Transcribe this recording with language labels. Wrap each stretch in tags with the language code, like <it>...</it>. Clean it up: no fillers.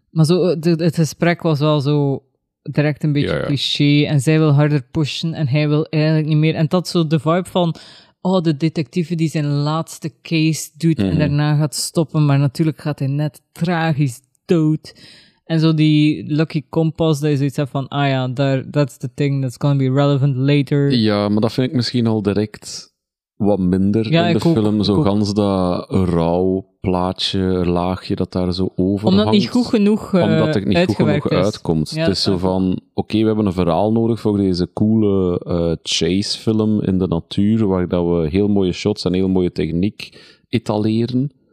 <nl>Maar zo, het gesprek was wel zo direct een beetje cliché. En zij wil harder pushen en hij wil eigenlijk niet meer. En dat zo de vibe van... Oh, de detective die zijn laatste case doet en daarna gaat stoppen. Maar natuurlijk gaat hij net tragisch dood. En zo die Lucky Compass, dat is iets van...</nl> <en>Ah ja, that's the thing that's gonna be relevant later.</en> <nl>Ja, maar dat vind ik misschien al direct wat minder in de film. Zo gans dat rauw plaatje, laagje dat daar zo over hangt. Omdat het niet goed genoeg omdat het niet goed genoeg uitkomt. Ja, het is zo van... Oké, we hebben een verhaal nodig voor deze coole chase-film in de natuur, waar dat we heel mooie shots en heel mooie techniek etaleren.</nl>